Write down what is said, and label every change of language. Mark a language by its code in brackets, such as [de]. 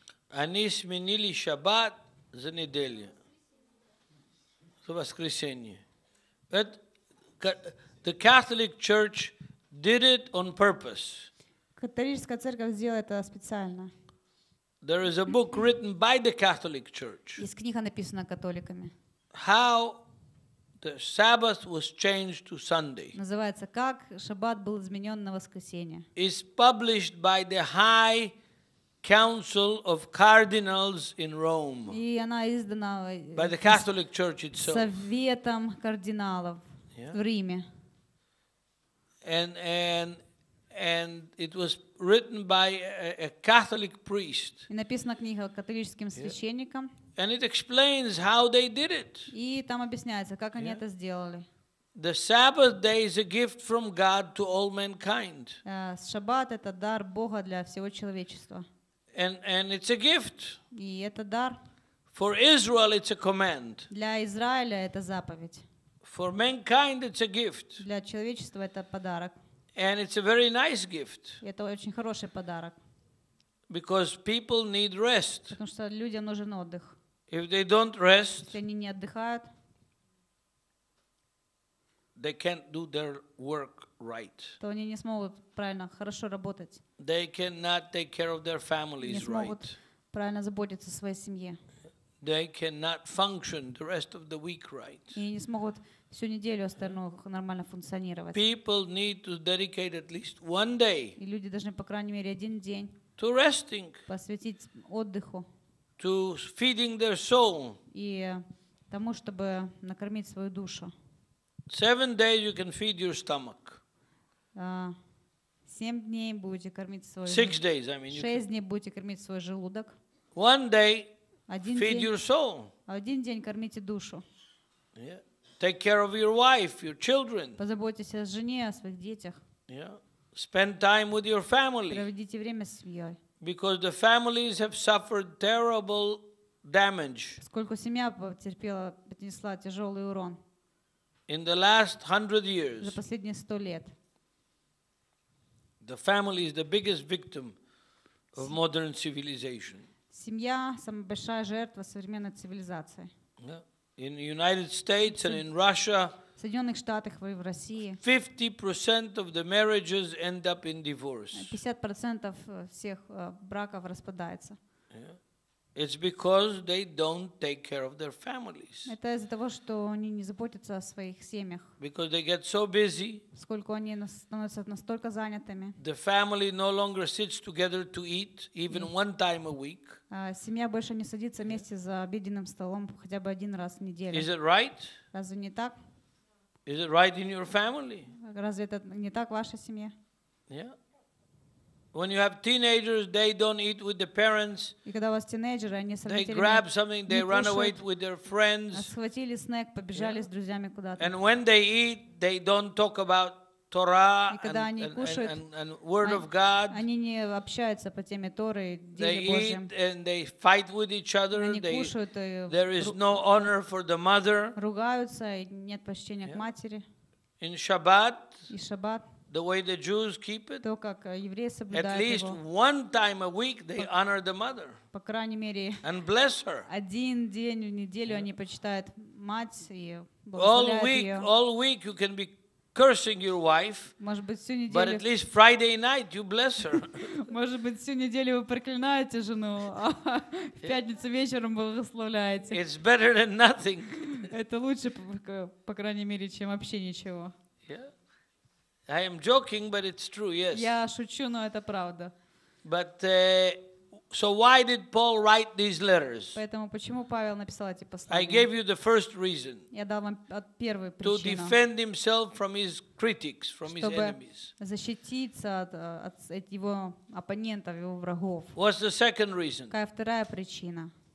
[ru] Они сменили Шаббат за неделю, за воскресенье. [en] The Catholic Church did it on purpose. [ru] Католическая церковь сделала это специально. [en] There is a book written by the Catholic Church. [ru] Есть книга, написанная католиками. [en] How the Sabbath was changed to Sunday. [ru] Называется «Как Шаббат был изменен на воскресенье». [en] Is published by the High Council of Cardinals in Rome. [ru] И она издана [en] by the Catholic Church itself. [ru] Советом кардиналов в Риме. [en] And it was written by a Catholic priest. [ru] И написана книга католическим священником. [en] And it explains how they did it. [ru] И там объясняется, как они это сделали. [en] The Sabbath day is a gift from God to all mankind. [ru] Шаббат — это дар Бога для всего человечества. [en] And it's a gift. [ru] И это дар. [en] For Israel, it's a command. [ru] Для Израиля это заповедь. [en] For mankind, it's a gift. [ru] Для человечества это подарок. [en] And it's a very nice gift. [ru] И это очень хороший подарок. [en] Because people need rest. [ru] Потому что людям нужен отдых. [en] If they don't rest, [ru] если они не отдыхают, [en] they can't do their work right. [ru] То они не смогут правильно, хорошо работать. [en] They cannot take care of their families right. [ru] Не смогут правильно заботиться о своей семье. [en] They cannot function the rest of the week right. [ru] И не смогут всю неделю остальную нормально функционировать. [en] People need to dedicate at least one day. [ru] И люди должны по крайней мере один день. [en] To resting. [ru] Посвятить отдыху. [en] To feeding their soul. [ru] И тому, чтобы накормить свою душу. [en] 7 days you can feed your stomach. [ru] 7 дней будете кормить свой. [en] 6 days, I mean. [ru] 6 дней будете кормить свой желудок. [en] 1 day. [ru] Один [en] feed [ru] день, [en] your soul. [ru] 1 день кормите душу. [en] Yeah. Take care of your wife, your children. [ru] Позаботьтесь о жене, о своих детях. [en] Yeah. Spend time with your family. [ru] Проведите время с семьей. [en] Because the families have suffered terrible damage. [ru] Сколько семья потерпела, понесла тяжелый урон. [en] In the last 100 years, [ru] за последние 100 лет, [en] the family is the biggest victim of modern civilization. [ru] Семья самая большая жертва современной цивилизации. [en] In the United States and in Russia, [ru] в Соединенных Штатах и в России, [en] 50% of the marriages end up in divorce. [ru] 50% всех браков распадается. [en] It's because they don't take care of their families. [ru] Это из-за того, что они не заботятся о своих семьях. [en] Because they get so busy. [ru] Сколько они становятся настолько занятыми. [en] The family no longer sits together to eat even one time a week. [ru] Семья больше не садится вместе за обеденным столом хотя бы один раз в неделю. [en] Is it right? [ru] Разве не так? [en] Is it right in your family? [ru] Разве это не так в вашей семье? [en] Yeah. When you have teenagers, they don't eat with the parents. [ru] И когда у вас тинейджеры, они с родителями. [en] They grab something, they run away with their friends. [ru] Схватили снэк, побежали с друзьями куда-то. [en] And when they eat, they don't talk about Torah and word of God. [ru] Они не общаются по теме Торы и Деле Божьем. [en] They eat and they fight with each other. [ru] Они кушают и. [en] There is no honor for the mother. [ru] Ругаются и нет почтения к матери. [en] In Shabbat. [ru] И Шаббат. [en] The way the Jews keep it, [ru] то, как, евреи соблюдают [en] at least [ru] его. [en] One time a week they honor the mother [ru] по крайней мере, [en] and bless her. [ru] Один день в неделю они почитают мать и благодарят ее. [en] All week you can be cursing your wife, [ru] может быть, всю неделю, [en] but at least Friday night you bless her. [ru] Может быть, всю неделю вы проклинаете жену, а в пятницу вечером благословляете. [en] It's better than nothing. [ru] Это лучше, по крайней мере, чем вообще ничего. [en] I am joking, but it's true, yes. [ru] Я шучу, но это правда. [en] But so why did Paul write these letters? [ru] Поэтому почему Павел написал эти послания? [en] I gave you the first reason. [ru] Я дал вам первую причину. [en] To defend himself from his critics, from his enemies. [ru] Чтобы защититься от его оппонентов, его врагов. [en] What's the second reason? [ru] Какая вторая причина?